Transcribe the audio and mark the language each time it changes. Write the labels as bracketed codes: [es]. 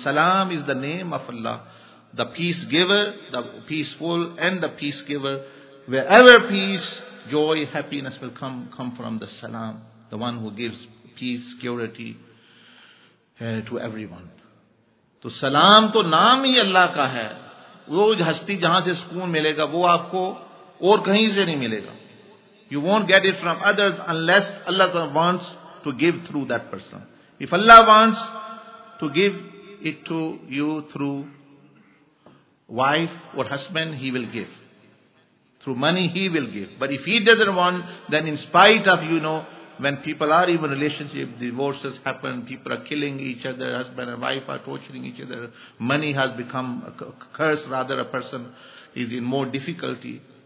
[en] Salam is the name of Allah. The peace giver, the peaceful and the peace giver. Wherever peace, joy, happiness will come from the Salam. The one who gives peace, security to everyone. [hi] तो सलाम तो नाम ही अल्लाह का है. वो हस्ती जहां से सुकून मिलेगा वो आपको और कहीं से नहीं मिलेगा. [en] You won't get it from others unless Allah wants to give through that person. If Allah wants to give it to you through wife or husband, He will give. Through money, He will give. But if He doesn't want, then in spite of, you know, when people are even relationship, divorces happen, people are killing each other, husband and wife are torturing each other, money has become a curse, rather a person is in more difficulty.